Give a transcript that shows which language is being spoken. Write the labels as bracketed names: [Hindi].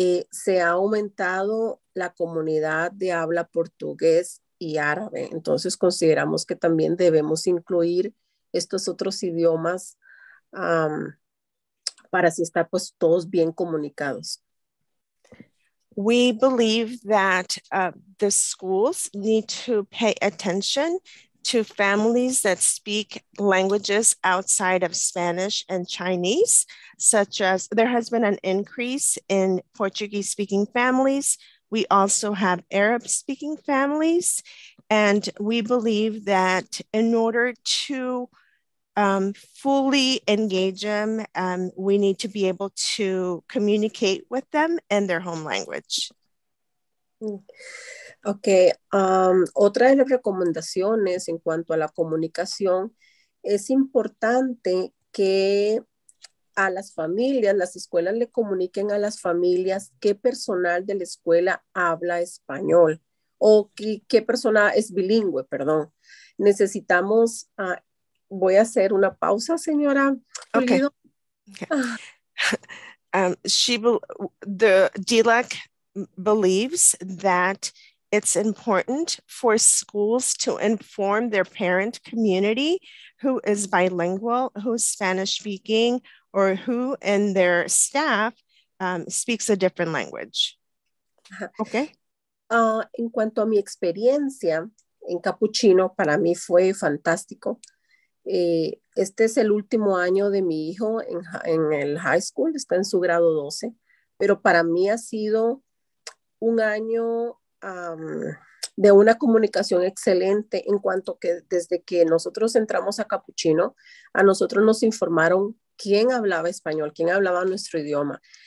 [Spanish] Se ha aumentado la comunidad de habla portugués y árabe. Entonces consideramos que también debemos incluir estos otros idiomas para así estar pues todos bien comunicados. [English] We believe that the schools need to pay attention to families that speak languages outside of Spanish and Chinese, such as there has been an increase in Portuguese-speaking families, We also have Arab-speaking families, and we believe that in order to fully engage them, we need to be able to communicate with them in their home language. [Spanish] Ok, otra de las recomendaciones en cuanto a la comunicación, es importante que a las familias, las escuelas le comuniquen a las familias qué personal de la escuela habla español o qué persona es bilingüe, perdón. Necesitamos, voy a hacer una pausa, señora. [English] Ok. Okay. The DLAC believes that it's important for schools to inform their parent community who is bilingual, who is Spanish speaking, or who in their staff speaks a different language. Okay. [Spanish] En cuanto a mi experiencia en Capuchino, para mí fue fantástico. Este es el último año de mi hijo en el high school, está en su grado 12, pero para mí ha sido un año de una comunicación excelente en cuanto que desde que nosotros entramos a Capuchino, a nosotros nos informaron quién hablaba español, quién hablaba nuestro idioma.